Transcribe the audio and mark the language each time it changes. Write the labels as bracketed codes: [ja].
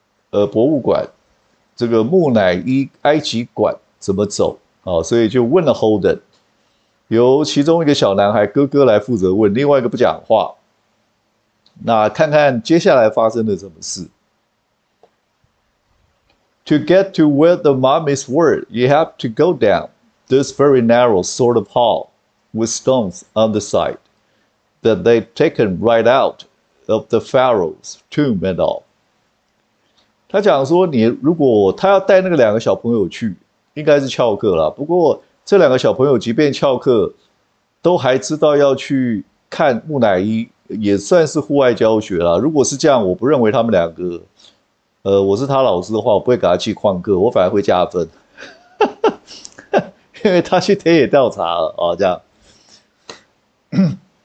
[zh] 博物馆，这个木乃伊埃及馆怎么走啊？所以就问了 Holden，由其中一个小男孩哥哥来负责问，另外一个不讲话。那看看接下来发生了什么事。 [en] To get to where the mummies were, you have to go down this very narrow sort of hall with stones on the side that they've taken right out of the pharaoh's tomb and all. [zh] 他讲说，你如果他要带那个2个小朋友去，应该是翘课啦。不过这2个小朋友即便翘课，都还知道要去看木乃伊也算是户外教学啦。如果是这样，我不认为他们两个，我是他老师的话，我不会给他去旷课，我反而会加分，因为他去田野调查了啊，这样。